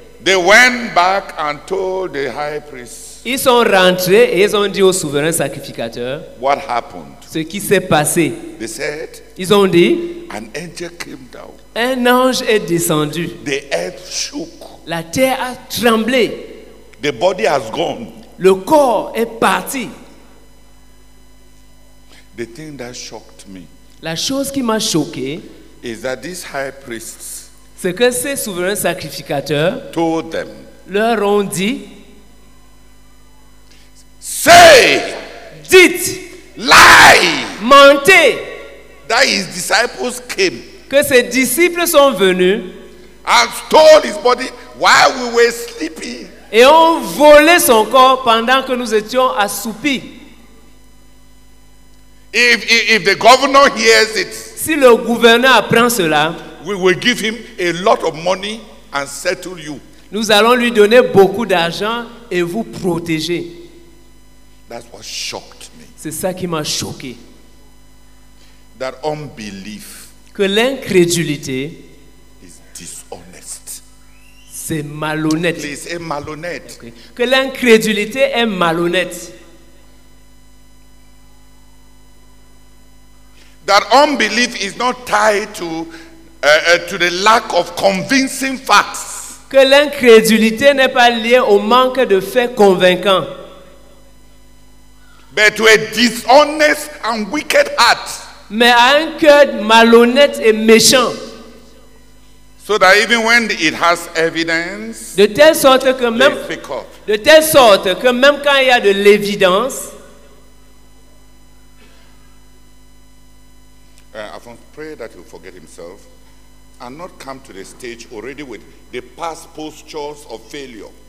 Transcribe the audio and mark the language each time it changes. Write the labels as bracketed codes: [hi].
[en] They went back and told the high priest. [fr] Ils sont rentrés et ils ont dit au souverain sacrificateur. [en] What happened? [fr] Ce qui s'est passé. [en] They said. [fr] Ils ont dit. [en] An angel came down. [fr] Un ange est descendu. [en] The earth shook. [fr] La terre a tremblé. [en] The body has gone. [fr] Le corps est parti. [en] The thing that shocked me. [fr] La chose qui m'a choqué [en] is that these high priests [fr] Ce que ces souverains sacrificateurs [en] told them, [fr] leur ont dit, [en] say, [fr] dites, [en] lie, [fr] mentez, [en] that his disciples came, [fr] que ses disciples sont venus, [en] and stole his body while we were sleeping, [fr] et ont volé son corps pendant que nous étions assoupis. [en] If the governor hears it, [fr] si le gouverneur apprend cela, [en] we will give him a lot of money and settle you. [fr] Nous allons lui donner beaucoup d'argent et vous protéger. [en] That's what shocked me. [fr] C'est ça qui m'a choqué. [en] That unbelief, [fr] que l'incrédulité, [en] is dishonest. [fr] C'est malhonnête. Please, est malhonnête. Okay. Que l'incrédulité est malhonnête. [en] That unbelief is not tied to the lack of convincing facts. [fr] Que l'incrédulité n'est pas liée au manque de faits convaincants. [en] But to a dishonest and wicked heart. [fr] Mais à un cœur malhonnête et méchant. [en] So that even when it has evidence, [fr] de telle sorte que même, [en] they pick up. [fr] De telle sorte que même quand il y a de l'évidence, [en] Afon, pray that he will forget himself and not come to the stage already with the past postures of failure.